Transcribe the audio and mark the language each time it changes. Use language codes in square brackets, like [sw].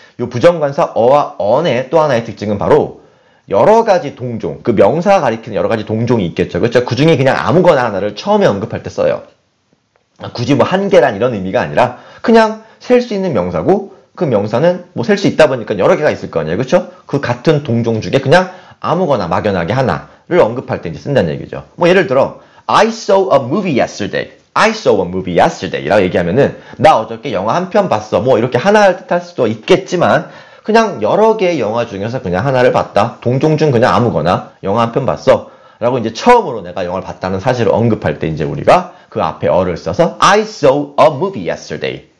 [ko] 이 부정관사 어와 언의 또 하나의 특징은 바로 여러 가지 동종, 그 명사가 가리키는 여러 가지 동종이 있겠죠. 그렇죠? 그 중에 그냥 아무거나 하나를 처음에 언급할 때 써요. 굳이 뭐 한 개란 이런 의미가 아니라 그냥 셀 수 있는 명사고 그 명사는 뭐 셀 수 있다 보니까 여러 개가 있을 거 아니에요. 그렇죠? 그 같은 동종 중에 그냥 아무거나 막연하게 하나를 언급할 때 이제 쓴다는 얘기죠. 뭐 예를 들어 [en] I saw a movie yesterday. I saw a movie yesterday [ko] 라고 얘기하면은 나 어저께 영화 한 편 봤어. 뭐 이렇게 하나를 뜻할 수도 있겠지만 그냥 여러 개의 영화 중에서 그냥 하나를 봤다. 동종 중 그냥 아무거나 영화 한 편 봤어. 라고 이제 처음으로 내가 영화를 봤다는 사실을 언급할 때 이제 우리가 그 앞에 어를 써서 [en] I saw a movie yesterday.